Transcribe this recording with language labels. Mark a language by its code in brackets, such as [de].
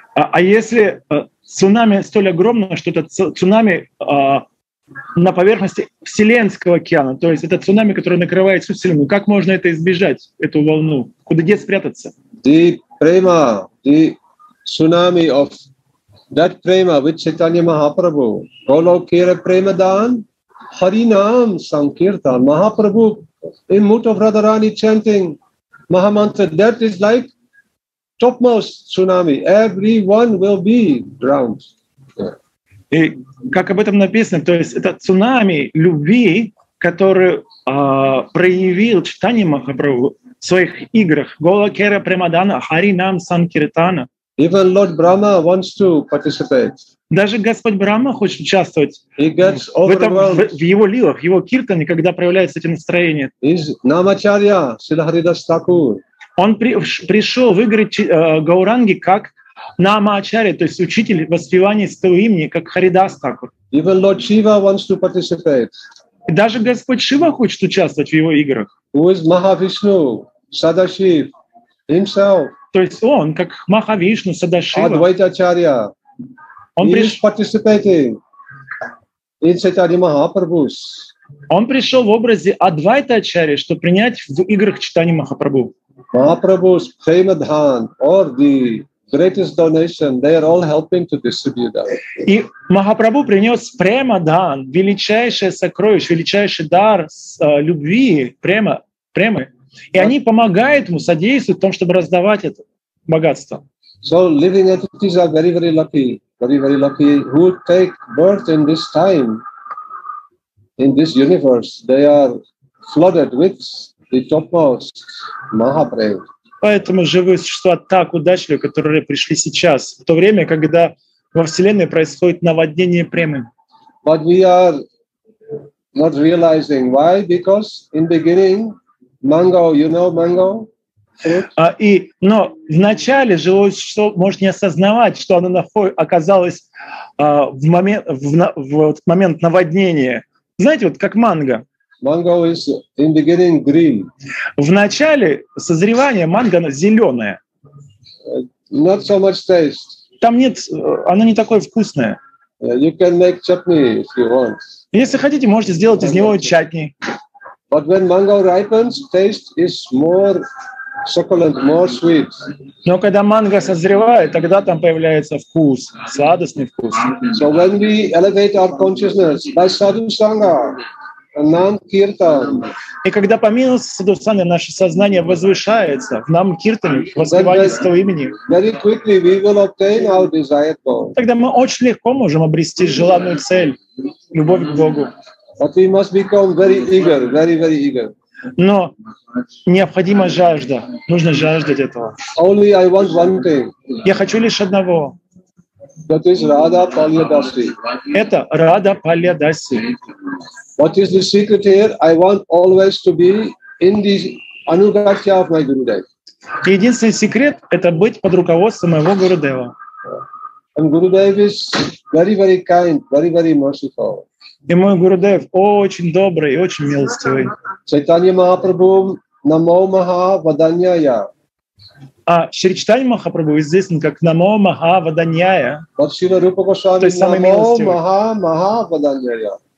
[ru] А если цунами столь огромное, что это цунами на поверхности Вселенского океана, то есть это цунами, которое накрывает всю Вселенную. Как можно это избежать, эту волну? Куда где спрятаться? [en] The prema, the tsunami of that prema with Chaitanya Mahaprabhu. [bn] Golokira premadan, harinam sankirtan. [en] Mahaprabhu in mood of Radharani chanting Mahamantra. That is like topmost tsunami, everyone will be drowned. [ru] И как об этом написано, то есть это цунами любви, которую проявил Чайтанья Махапрабху в своих играх. [bn] Голокера Премадана, Харинам Санкиртана. [en] Even Lord Brahma wants to participate. [ru] Даже Господь Брахма хочет участвовать. [en] He gets overwhelmed. [ru] В его лилах, в его киртане, когда проявляется эти настроения. [en] Is Намачарья Шрила Харидас Такур. [ru] Он пришел в игры Гауранги как Намачарья, то есть учитель воспевания своего имени, как Харидас Такур. [en] Even Lord Shiva wants to participate. [ru] Даже Господь Шива хочет участвовать в его играх. [en] Who is Mahavishnu, Sadashiv, himself. [ru] То есть он, как Махавишну, Садашива. Адвайтачарья. Он [en] participating in Chaitanya Mahaprabhu's. [ru] Он пришел в образе Адвайтачарья, чтобы принять в играх Чайтанья Махапрабху. [en] Mahaprabhu's prema dhan or the greatest donation, they are all helping to distribute that. [ru] И Махапрабху принес prema dhan, величайшее сокровище, величайший дар любви, prema. И они помогают ему, содействуют в том, чтобы раздавать это богатство. [en] So living entities are very, very lucky, very, very lucky who take birth in this time, in this universe. They are flooded with the topmost Mahaprema. [ru] Поэтому живые существа так удачливы, которые пришли сейчас, в то время, когда во Вселенной происходит наводнение премы. [en] But we are not realizing why, because in beginning mango, you know mango? [ru] Но вначале живое существо может не осознавать, что оно оказалось в момент наводнения. Знаете, вот как манго. [en] Mango is in the beginning green. [ru] В начале созревания манго зеленое. [en] Not so much taste. [ru] Там нет, оно не такое вкусное. [en] You can make chutney if you want. [ru] Если хотите, можете сделать из него чатни. [en] But when mango ripens, taste is more succulent, more sweet. [ru] Но когда манго созревает, тогда там появляется вкус, сладостный вкус. [en] So when we elevate our consciousness by sadhu sangha, nam kirtan. [ru] И когда по милости садху санга наше сознание возвышается в нам киртане, воспевание своего имени, [en] very quickly we will obtain our desired goal. [ru] Тогда мы очень легко можем обрести желанную цель, любовь к Богу. [en] But we must become very eager, very, very eager. [ru] Но необходима жажда. Нужно жаждать этого. [en] Only I want one thing. [ru] Я хочу лишь одного. [en] That is Radha Palyadasi. [ru] Это Radha Palyadasi. [en] What is the secret here? I want always to be in the anugatya of my Gurudev. [ru] Единственный секрет — это быть под руководством моего Гурудева. [en] And Gurudev is very, very kind, very, very merciful. [ru] И мой Гурудев очень добрый и очень милостивый. [sa] Чайтанья Махапрабху намо маха ваданьяя. [ru] А Шри Чайтанья Махапрабху известен как [sa] намо маха ваданьяя. [ru] Вот Шрила Рупа Госвами, то есть самый милостивый. [sa] Намо маха маха ваданьяя.